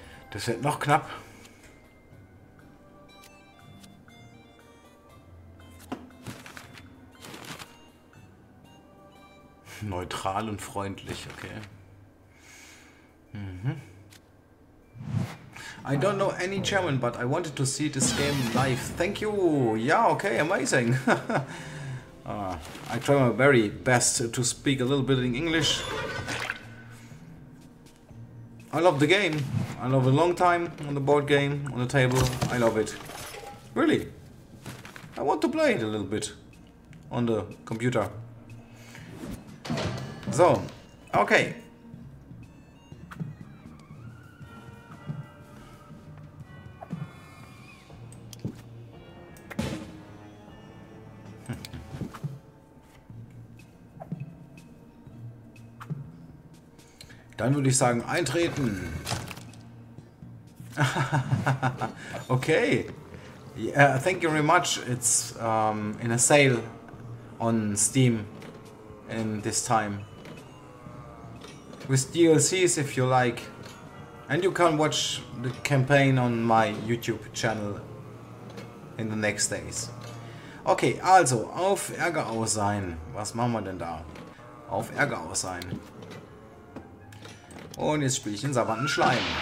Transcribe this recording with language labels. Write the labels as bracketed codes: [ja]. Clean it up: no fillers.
[de] Das wird noch knapp. Neutral und freundlich, okay. [en] I don't know any German, but I wanted to see this game live. Thank you. Ja, okay, amazing. I try my very best to speak a little bit in English. I love the game. I love a long time on the board game, on the table. I love it. Really. I want to play it a little bit. On the computer. So. Okay. [de] Dann würde ich sagen, eintreten. Okay. [en] Yeah, thank you very much. It's in a sale on Steam in this time. With DLCs if you like. And you can watch the campaign on my YouTube channel in the next days. [de] Okay, also, auf Ärger aus sein. Was machen wir denn da? Auf Ärger aus sein. Und jetzt spiele ich den Savantenschleim.